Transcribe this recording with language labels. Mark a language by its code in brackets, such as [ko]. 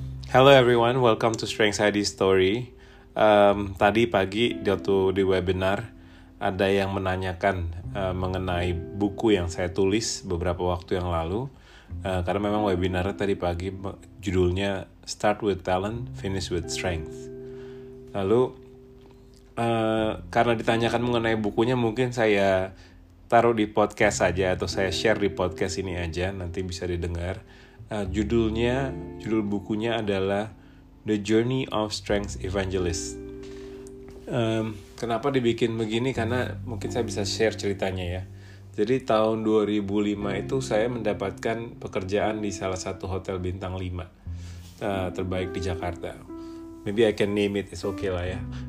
[en] Hello everyone, welcome to Strengths ID Story. [id] Tadi pagi waktu di webinar ada yang menanyakan mengenai buku yang saya tulis beberapa waktu yang lalu. Karena memang webinar tadi pagi judulnya Start with Talent, Finish with Strength. Lalu karena ditanyakan mengenai bukunya, mungkin saya taruh di podcast saja atau saya share di podcast ini aja, nanti bisa didengar. Judul bukunya adalah The Journey of Strengths Evangelist. Kenapa dibikin begini? Karena mungkin saya bisa share ceritanya ya. Jadi tahun 2005 itu saya mendapatkan pekerjaan di salah satu hotel bintang 5 terbaik di Jakarta. [en] Maybe I can name it, it's okay lah ya.